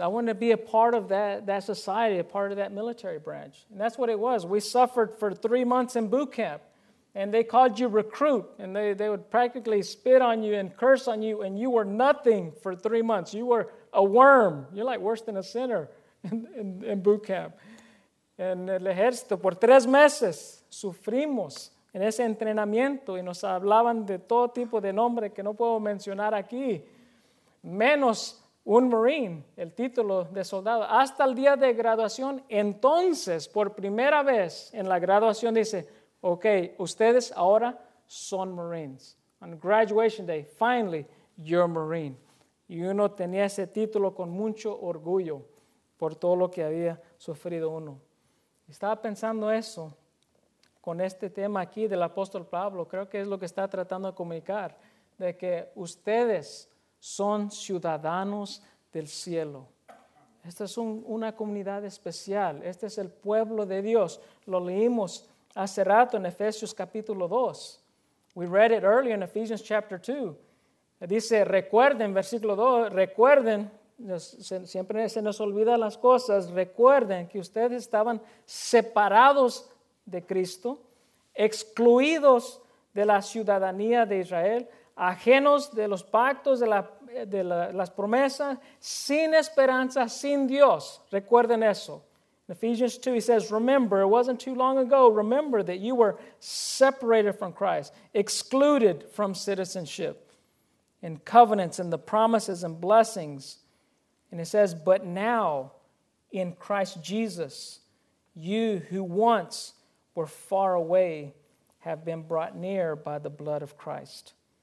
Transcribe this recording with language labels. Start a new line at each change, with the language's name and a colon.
English: I wanted to be a part of that society, a part of that military branch. And that's what it was. We suffered for 3 months in boot camp. And they called you recruit. And they would practically spit on you and curse on you. And you were nothing for 3 months. You were a worm. You're like worse than a sinner in boot camp.
Spanish: En el ejército, por 3 meses, sufrimos en ese entrenamiento. Y nos hablaban de todo tipo de nombre que no puedo mencionar aquí. Menos un Marine, el título de soldado, hasta el día de graduación. Entonces, por primera vez en la graduación, dice, ok, ustedes ahora son Marines.
English: On graduation day, finally, you're Marine.
Spanish: Y uno tenía ese título con mucho orgullo por todo lo que había sufrido uno. Estaba pensando eso con este tema aquí del apóstol Pablo. Creo que es lo que está tratando de comunicar, de que ustedes son ciudadanos del cielo. Esta es una comunidad especial. Este es el pueblo de Dios. Lo leímos hace rato en Efesios capítulo 2.
English: We read it earlier in Ephesians chapter 2.
Spanish: Dice, recuerden, versículo 2, recuerden, siempre se nos olvida las cosas, recuerden que ustedes estaban separados de Cristo, excluidos de la ciudadanía de Israel, ajenos de los pactos, de las promesas, sin esperanza, sin Dios. Recuerden eso.
English: In Ephesians 2, he says, remember, it wasn't too long ago, remember that you were separated from Christ, excluded from citizenship, and covenants, and the promises, and blessings. And it says, but now, in Christ Jesus, you who once were far away have been brought near by the blood of Christ.